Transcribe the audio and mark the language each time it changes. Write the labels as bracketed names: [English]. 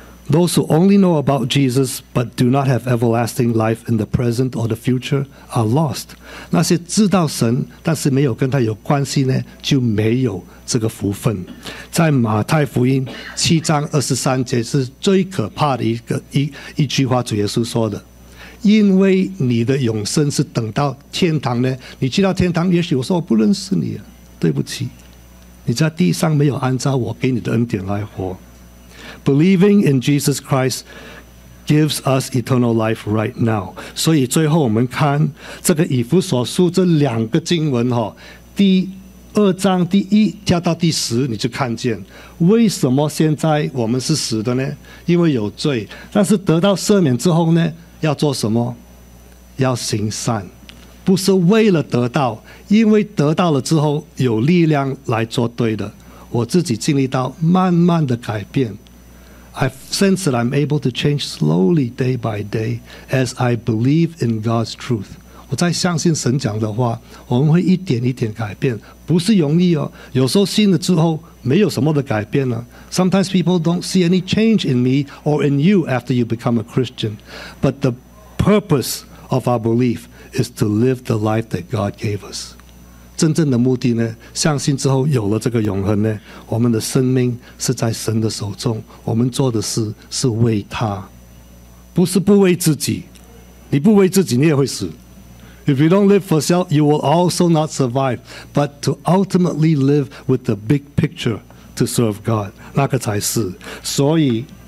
[English] Those who only know about Jesus but do not have everlasting life in the present or the future are lost. [Chinese] 那些知道神但是没有跟他有关系呢，就没有这个福分。在马太福音七章二十三节是最可怕的一句话，主耶稣说的：因为你的永生是等到天堂呢，你去到天堂，也许我说我不认识你，对不起。你在地上没有按照我给你的恩典来活。 [English] Believing in Jesus Christ gives us eternal life right now. [Chinese] 所以最后我们看这个以弗所书这两个经文，第二章第一加到第十，你就看见为什么现在我们是死的呢？因为有罪。但是得到赦免之后呢，要做什么？要行善。不是为了得到，因为得到了之后有力量来做对的。我自己经历到慢慢的改变。 [English] I sense that I'm able to change slowly day by day as I believe in God's truth. [Chinese] 我在相信神讲的话，我们会一点一点改变，不是容易哦。有时候信了之后没有什么的改变了。 [English] Sometimes people don't see any change in me or in you after you become a Christian. But the purpose of our belief is to live the life that God gave us. [Chinese] 真正的目的呢，相信之后有了这个永恒呢，我们的生命是在神的手中，我们做的事是为他，不是不为自己。你不为自己你也会死。 [English] If you don't live for self, you will also not survive. But to ultimately live with the big picture to serve God, [Chinese] 那个才是。所以